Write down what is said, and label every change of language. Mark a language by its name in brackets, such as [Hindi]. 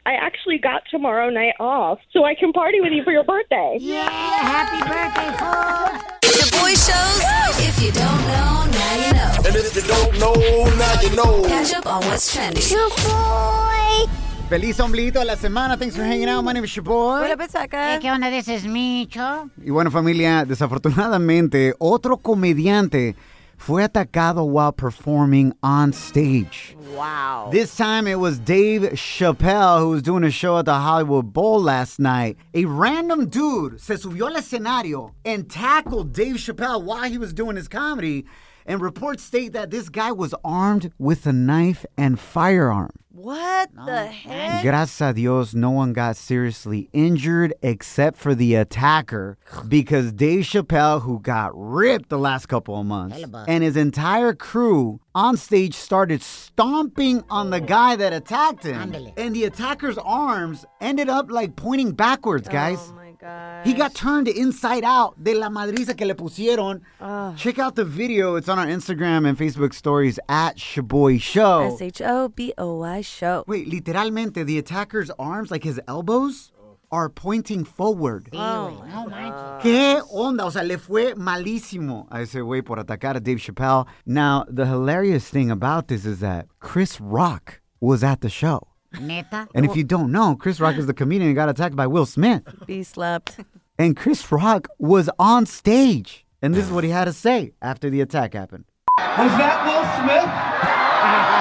[English] I actually got tomorrow night off, so I can party with you for your birthday. Yeah. Happy birthday, folks. The Boy Shows. If you don't know, now you know. And if you don't know, now you know. Catch up on what's trending. Your boy. [Spanish] Feliz ombliguito de la semana. [English] Thanks for hanging out. My name is your boy. What up, Saka? Hey, [Spanish] ¿qué onda? [English] This is Micho. [Spanish] Y bueno, familia, desafortunadamente, otro comediante fue atacado [English] while performing on stage. Wow. This time it was Dave Chappelle, who was doing a show at the Hollywood Bowl last night. A random dude [Spanish] se subió al escenario [English] and tackled Dave Chappelle while he was doing his comedy. And reports state that this guy was armed with a knife and firearm. What the heck? [Spanish] Gracias a Dios, [English] no one got seriously injured except for the attacker. Because Dave Chappelle, who got ripped the last couple of months, and his entire crew on stage started stomping on the guy that attacked him. And the attacker's arms ended up like pointing backwards, guys. He got turned inside out. [Spanish] De la madriza que le pusieron. [English] Check out the video. It's on our Instagram and Facebook stories at Shaboy Show. S-H-O-B-O-Y Show. Wait, literalmente, the attacker's arms, like his elbows, are pointing forward. Oh my God. [Spanish] ¿Qué onda? O sea, le fue malísimo a ese güey por atacar a Dave Chappelle. [English] Now, the hilarious thing about this is that Chris Rock was at the show. [Spanish] Neta? [English] And if you don't know, Chris Rock is the comedian who got attacked by Will Smith. Be slept. And Chris Rock was on stage. And this is what he had to say after the attack happened. Was that Will Smith?